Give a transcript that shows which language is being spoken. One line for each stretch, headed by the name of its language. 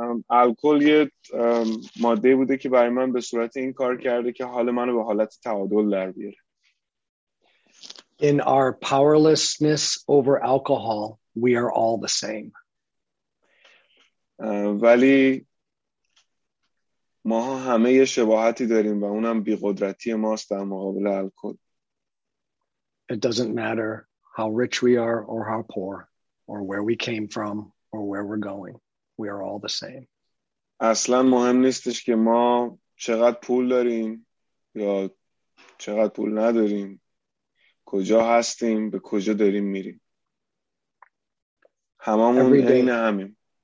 Persian: الکل یه ماده بوده که برای من به صورت این کار کرده که حال منو به حالت تعادل در بیاره.
English: In our powerlessness over alcohol, we are all the same.
Persian: ولی ما ها همه یه شباهتی داریم و اونم بیقدرتی ماست در مقابل الکل.
English: It doesn't matter how rich we are or how poor or where we came from or where we're going. We are all the same.
Persian: اصلاً مهم نیستش که ما چقدر پول داریم یا چقدر پول نداریم. کجا هستیم، به کجا داریم میریم. هممون عین همیم.